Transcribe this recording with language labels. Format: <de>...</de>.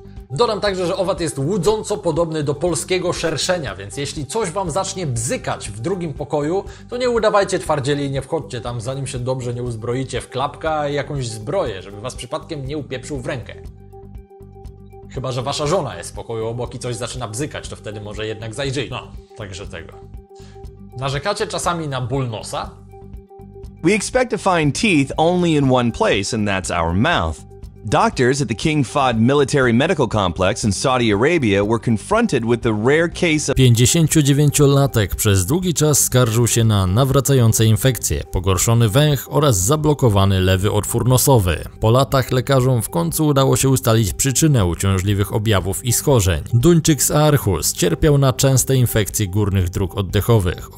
<pl>Dodam także, że owad jest łudząco podobny do polskiego szerszenia, więc jeśli coś Wam zacznie bzykać w drugim pokoju, to nie udawajcie twardzieli i nie wchodźcie tam, zanim się dobrze nie uzbroicie w klapkę i jakąś zbroję, żeby Was przypadkiem nie upieprzył w rękę. Chyba że Wasza żona jest w pokoju obok i coś zaczyna bzykać, to wtedy może jednak zajrzyj. No, także tego. Narzekacie czasami na ból nosa?</pl> <en>We expect to find teeth only in one place, and that's our mouth. Doctors at the King Fahd Military Medical Complex in Saudi Arabia were confronted with the rare case of</en> <pl>59-latek przez długi czas skarżył się na nawracające infekcje, pogorszony węch oraz zablokowany lewy otwór nosowy. Po latach lekarzom w końcu udało się ustalić przyczynę uciążliwych objawów i schorzeń. Duńczyk z Aarhus cierpiał na częste infekcje górnych dróg oddechowych.</pl>